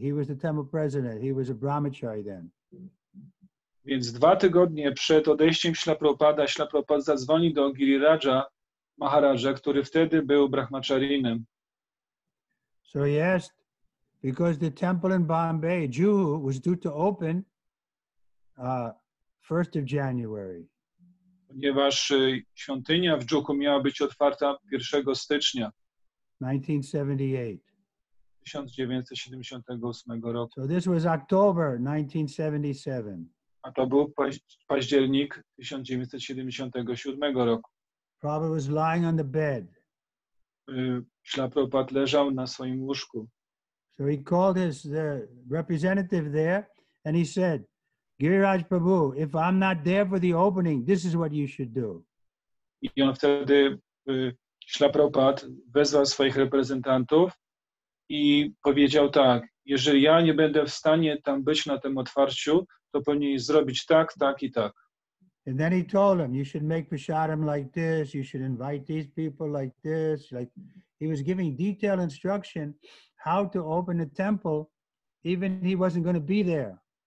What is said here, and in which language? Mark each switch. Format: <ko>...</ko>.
<en>He was the temple president. He was a brahmachari then.</en> <pl>Więc 2 tygodnie przed odejściem Śla Prabhupada zadzwonił do Giriraja Maharaja, który wtedy był brahmacharinem.</pl> <en>So he asked Because the temple in Bombay, Juhu, was due to open 1st of January.</en> <pl>Ponieważ świątynia w Juhu miała być otwarta 1 stycznia 1978 roku.</pl> <en>So this was October 1977.</en> <pl>A to był październik 1977 roku.</pl> <en>Prabhupada was lying on the bed.</en> <pl>Śla Prabhupada leżał na swoim łóżku.</pl> <en>So he called his representative there and he said, Giriraj Prabhu, if I'm not there for the opening, this is what you should do.</en> <pl>I on wtedy, Śla Prabhupada, wezwał swoich reprezentantów i powiedział tak, jeżeli ja nie będę w stanie tam być na tym otwarciu, to powinien zrobić tak, tak i tak.</pl> <en>And then he told him, you should make prasadam like this, you should invite these people like this. Like he was giving detailed instruction how to open the temple, even he wasn't going to be there.</en>